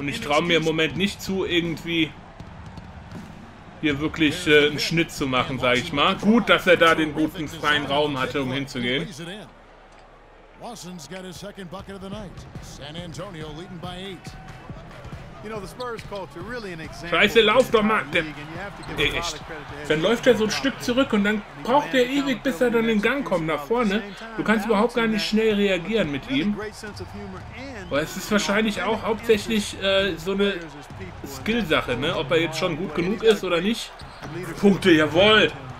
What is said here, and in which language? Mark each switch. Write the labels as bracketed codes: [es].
[de] und ich traue mir im Moment nicht zu, irgendwie hier wirklich einen Schnitt zu machen, sag ich mal. Gut, dass er da den guten freien Raum hatte, um hinzugehen. [en] Lawson's got his second bucket of the night. San Antonio leading by 8. You know, the Spurs culture really an example. [de] Scheiße, lauf doch mal, der. Ey, echt. Dann läuft er so ein Stück zurück und dann braucht er ewig, bis er dann in Gang kommt nach vorne. Du kannst überhaupt gar nicht schnell reagieren mit ihm. Aber es ist wahrscheinlich auch hauptsächlich so eine Skillsache, ne? Ob er jetzt schon gut genug ist oder nicht. Punkte, jawohl.